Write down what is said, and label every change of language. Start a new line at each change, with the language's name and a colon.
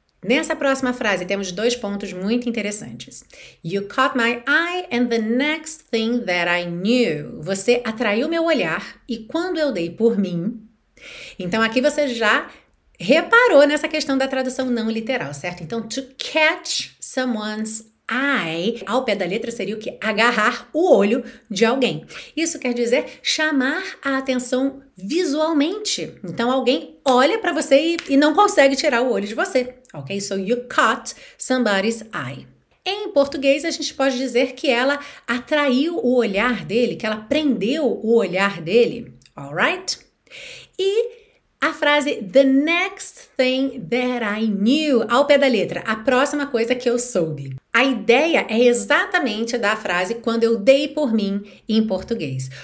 Portuguese: Nessa próxima frase, temos dois pontos muito interessantes.
English: You caught my eye and the next thing that I knew.
Portuguese: Você atraiu meu olhar e quando eu dei por mim. Então, aqui você já reparou nessa questão da tradução não literal, certo? Então,
English: to catch someone's eye,
Portuguese: ao pé da letra, seria o quê? Agarrar o olho de alguém. Isso quer dizer chamar a atenção visualmente. Então, alguém olha para você e não consegue tirar o olho de você. Ok?
English: So you caught somebody's eye.
Portuguese: Em português, a gente pode dizer que ela atraiu o olhar dele, que ela prendeu o olhar dele.
English: All right?
Portuguese: E a frase
English: the next thing that I knew.
Portuguese: Ao pé da letra, a próxima coisa que eu soube. A ideia é exatamente da frase quando eu dei por mim em português.